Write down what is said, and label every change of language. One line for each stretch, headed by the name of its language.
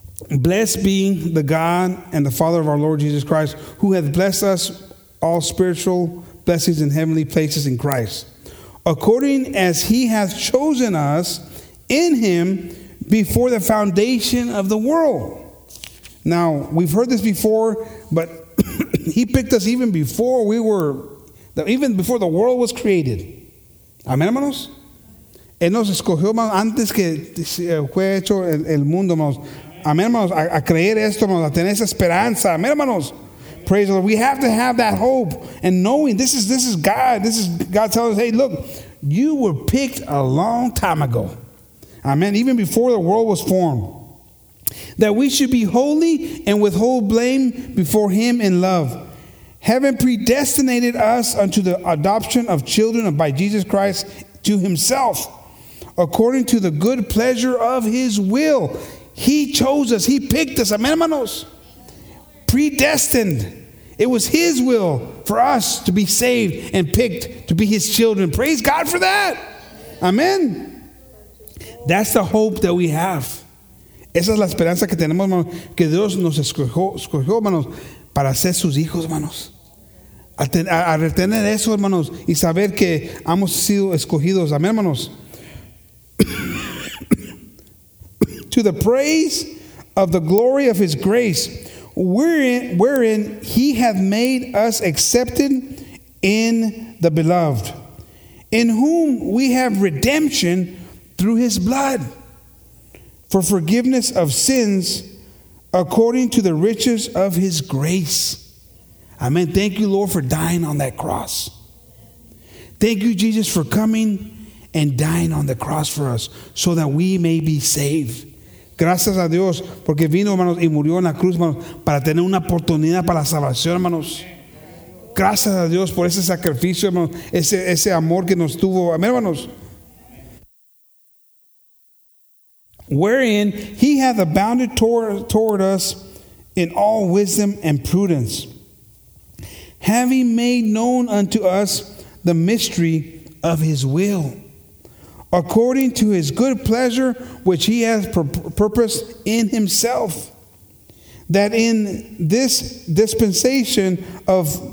English: Blessed be the God and the Father of our Lord Jesus Christ, who hath blessed us all spiritual blessings in heavenly places in Christ, according as he hath chosen us in him before the foundation of the world. Now, we've heard this before, but he picked us even before we were, even before the world was created.
Spanish: Amén, hermanos? Él nos escogió antes que fue hecho el mundo, hermanos. Amén, hermanos, a creer esto, hermanos, a tener esa esperanza. Amén, hermanos.
English: Praise the Lord. We have to have that hope and knowing this is God. This is God telling us, hey, look, you were picked a long time ago. Amen. Even before the world was formed. That we should be holy and withhold blame before him in love. Having predestinated us unto the adoption of children by Jesus Christ to himself, according to the good pleasure of his will. He chose us. He picked us. Amen, hermanos. Predestined. It was his will for us to be saved and picked to be his children. Praise God for that. Amen. That's the hope that we have.
Spanish: Esa es la esperanza que tenemos, hermanos. Que Dios nos escogió, hermanos, para ser sus hijos, hermanos. A retener eso, hermanos, y saber que hemos sido escogidos. Amén, hermanos.
English: To the praise of the glory of his grace, wherein he hath made us accepted in the beloved, in whom we have redemption through his blood, for forgiveness of sins according to the riches of his grace. Amen. Thank you, Lord, for dying on that cross. Thank you, Jesus, for coming and dying on the cross for us so that we may be saved.
Spanish: Gracias a Dios, porque vino, hermanos, y murió en la cruz, hermanos, para tener una oportunidad para la salvación, hermanos. Gracias a Dios por ese sacrificio, hermanos, ese amor que nos tuvo. Amén, hermanos.
English: Wherein he hath abounded toward us in all wisdom and prudence, having made known unto us the mystery of his will, according to his good pleasure, which he has purposed in himself, that in this dispensation of